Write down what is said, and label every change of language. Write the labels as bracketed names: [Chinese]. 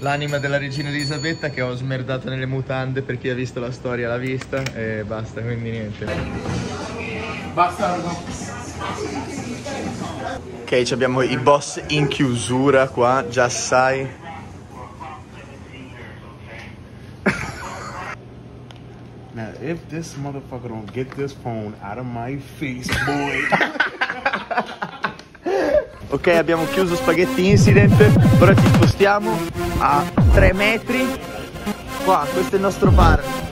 [Italian] L'anima della regina Elisabetta che ho smerdato nelle mutande per chi ha visto la storia l'ha vista. E basta, quindi niente. Bastardo. Ok, ci abbiamo i boss in chiusura qua, già sai. [English] Now, if this motherfucker don't get this phone out of my face, boy. [Italian] Ok, abbiamo chiuso Spaghetti Incident. Ora ci spostiamo a 3 metri. Qua, questo è il nostro bar.